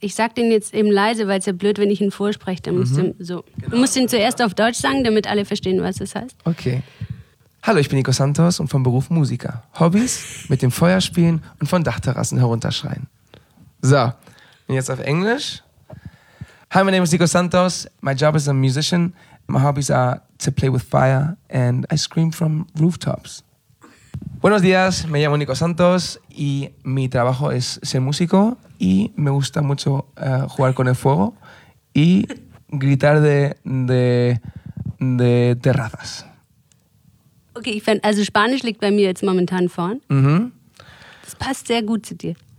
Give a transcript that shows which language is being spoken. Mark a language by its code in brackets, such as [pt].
[de] Ich sag den jetzt eben leise, weil es ja blöd, wenn ich ihn vorspreche. Dann musst du musst ihn zuerst auf Deutsch sagen, damit alle verstehen, was das heißt. Okay. Hallo, ich bin Nico Santos und vom Beruf Musiker. Hobbys? Mit dem Feuer spielen und von Dachterrassen herunterschreien. So, und jetzt auf Englisch. [en] Hi, my name is Nico Santos. My job is a musician. My hobbies are to play with fire and I scream from rooftops. [es] Buenos días, me llamo Nico Santos y mi trabajo es ser músico y me gusta mucho jugar con el fuego y gritar de terrazas. [de] Okay, ich finde, also Spanisch liegt bei mir jetzt momentan vorn. Mm-hmm. Das passt sehr gut zu dir.